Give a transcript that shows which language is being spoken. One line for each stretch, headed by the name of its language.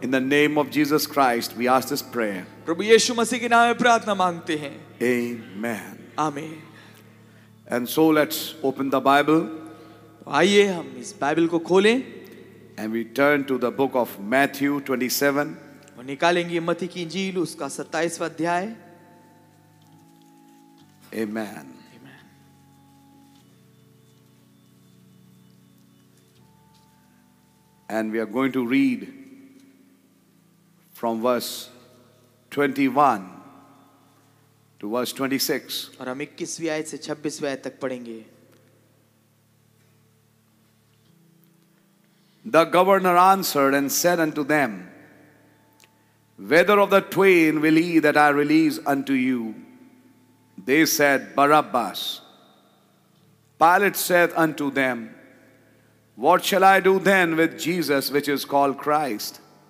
English: In the name of Jesus Christ, we ask this prayer.
Hindi: प्रभु यीशु मसीह के नाम में प्रार्थना मांगते हैं.
English: Amen. Amen. And so let's open the Bible.
Hindi: आइए हम इस बाइबल को खोलें.
English: And we turn to the book of Matthew 27.
Hindi: और निकालेंगे मत्ती की इंजील उसका 27वां अध्याय.
English: Amen. And we are going to read from verse 21 to verse 26.
Hindi: और हम 21वीं आयत से 26वीं आयत तक पढ़ेंगे.
English: The governor answered and said unto them, Whether of the twain will he that I release unto you? They said, Barabbas. Pilate said unto them, What shall I do then with Jesus, which is called Christ?